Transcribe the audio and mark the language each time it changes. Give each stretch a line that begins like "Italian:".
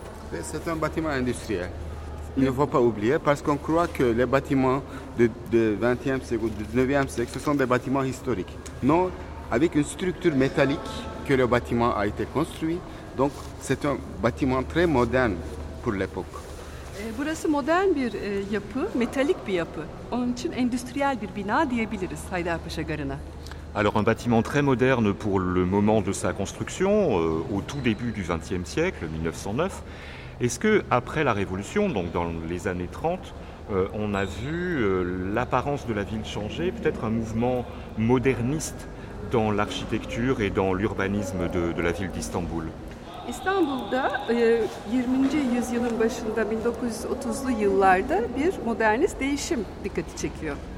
French: C'est un bâtiment industriel. Il ne faut pas oublier, parce qu'on croit que les bâtiments de 20e siècle ou du 19e siècle, ce sont des bâtiments historiques. Non, avec une structure métallique que le bâtiment a été construit. Donc, c'est un bâtiment très moderne pour l'époque.
Turkish: Burası modern bir yapı, metalik bir yapı. Onun için endüstriyel bir bina diyebiliriz Haydarpaşa Garı'na.
French: Alors, un bâtiment très moderne pour le moment de sa construction, au tout début du 20e siècle, 1909. Est-ce que après la Révolution, donc dans les années 30, on a vu l'apparence de la ville changer, peut-être un mouvement moderniste dans l'architecture et dans l'urbanisme de la ville d'Istanbul?
Turkish: İstanbul'da 20. yüzyılın başında 1930'lu yıllarda bir modernist değişim dikkati çekiyor.